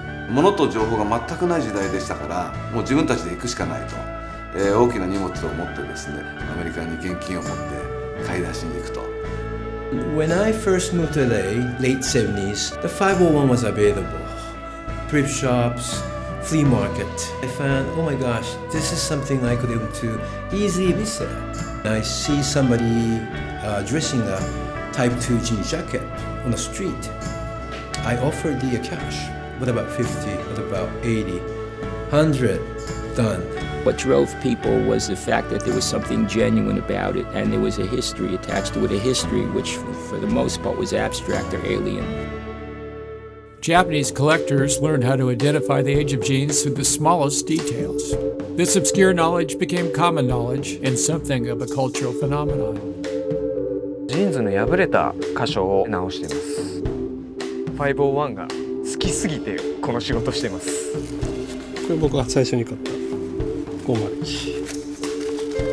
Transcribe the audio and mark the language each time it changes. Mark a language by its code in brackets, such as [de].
[ja] 物と情報が全くない時代でしたから、もう自分たちで行くしかないと、大きな荷物を持ってですね、アメリカに現金を持って買い出しに行くと。 [en] When I first moved to LA, late 70s, the 501 was available. Thrift shops, flea market. I found, oh my gosh, this is something I could be able to easily resell. I see somebody, dressing up. Type 2 jean jacket on the street. I offered the cash. What about 50? What about 80? 100? Done. What drove people was the fact that there was something genuine about it and there was a history attached to it, a history which for the most part was abstract or alien. Japanese collectors learned how to identify the age of jeans through the smallest details. This obscure knowledge became common knowledge and something of a cultural phenomenon. [ja] ジーンズの破れた箇所を直してます。501が好きすぎてこの仕事してます。これ僕が最初に買った501、